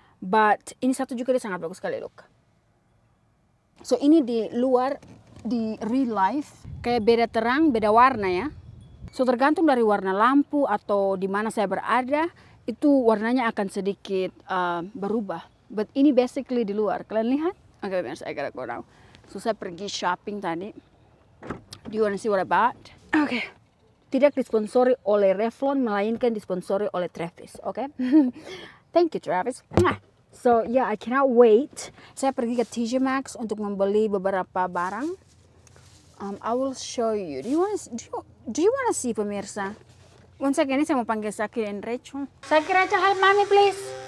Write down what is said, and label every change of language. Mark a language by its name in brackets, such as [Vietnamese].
[English] But [Indonesian] ini satu juga dia sangat bagus sekali [English] look. [Indonesian] So ini di luar, di real life, kayak beda terang, beda warna ya. So tergantung dari warna lampu atau di mana saya berada, itu warnanya akan sedikit berubah. [English] But [Indonesian] ini basically di luar, kalian lihat? [English] Okay, pemirsa, I gotta go now. So [Indonesian] saya pergi [English] shopping [Indonesian] tadi. [English] Do you want to see what I bought? [Indonesian] Okay. Tidak disponsori oleh Revlon, melainkan disponsori oleh Travis. Okay. [English] Thank you, [Indonesian] Travis. [English] So, yeah, I cannot wait. [Indonesian] Saya pergi ke TJ Maxx untuk membeli beberapa barang. [English] I will show you. Do you want to see, pemirsa? One second, [Indonesian] saya mau panggil [English] Saki and Rachel. Saki, Rachel, help mommy, please.